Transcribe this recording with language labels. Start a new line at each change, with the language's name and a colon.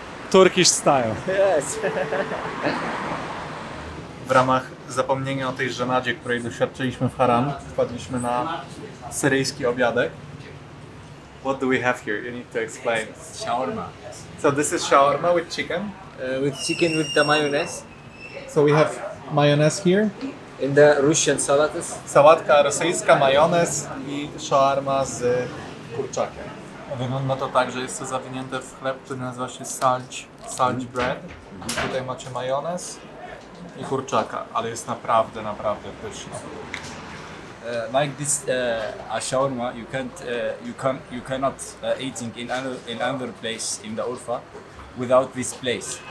English: Turkish style. Yes.
Polish: W ramach zapomnienia o tej żenadzie, której doświadczyliśmy w Haram, wpadliśmy na syryjski obiadek.
English: What do we have here? You need to explain. Yes. Shawarma. So this is shawarma with chicken? With chicken with the mayonnaise. So we have mayonnaise here? In the Russian salatas.
Polish: Sałatka rosyjska, majonez i shawarma z kurczakiem. Wygląda to tak, że jest to zawinięte w chleb, który nazywa się salt bread. I tutaj macie majonez i kurczaka, ale jest naprawdę, naprawdę pyszne.
English: Like this shawarma, you cannot eating in another place in the Urfa without this place.